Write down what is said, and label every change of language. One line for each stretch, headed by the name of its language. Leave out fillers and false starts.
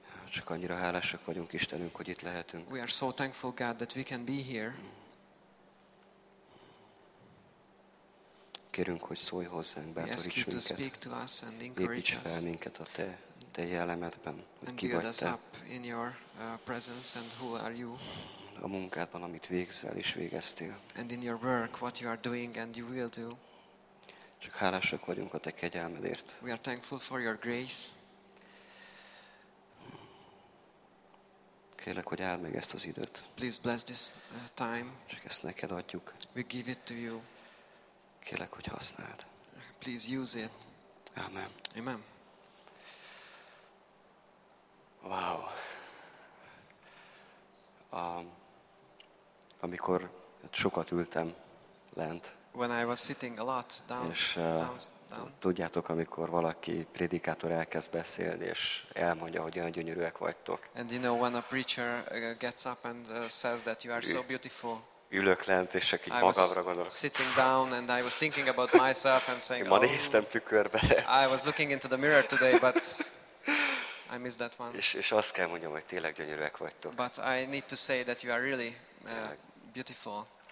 Hungarian: Csak annyira hálásak vagyunk Istenünk, hogy itt lehetünk.
English: We are so thankful, God, that we can be here.
Hungarian: Kérünk, hogy szólj hozzánk, bátoríts minket.
English: We ask you to speak to us and encourage us.
Hungarian: Építs fel minket a te jellemedben, hogy ki vagy te.
English: And build us up in your presence and who are you.
Hungarian: A munkádban, amit végzel és végeztél.
English: And in your work, what you are doing and you will do.
Hungarian: Csak hálásak vagyunk a te kegyelmedért.
English: We are thankful for your grace.
Hungarian: Kérlek, hogy áld meg ezt az időt.
English: Please bless this time.
Hungarian: Csak ezt neked adjuk.
English: We give it to you.
Hungarian: Kérlek, hogy használd.
English: Please use it.
Hungarian: Amen.
English: Amen. Wow.
Hungarian: Amikor sokat ültem lent,
English: when I was sitting a lot down.
Hungarian: És tudjátok, amikor valaki prédikátor elkezd beszélni és elmondja, hogy olyan gyönyörűek vagytok.
English: And you know when a preacher gets up and says that you are so beautiful.
Hungarian: Ülök lent és csak így magamra gondolok.
English: Sitting down and I was thinking about myself and saying.
Hungarian: Ma néztem tükörbe.
English: I was looking into the mirror today, but I missed that one.
Hungarian: És azt kell mondjam, hogy tényleg gyönyörűek vagytok.
English: But I need to say that you are really beautiful.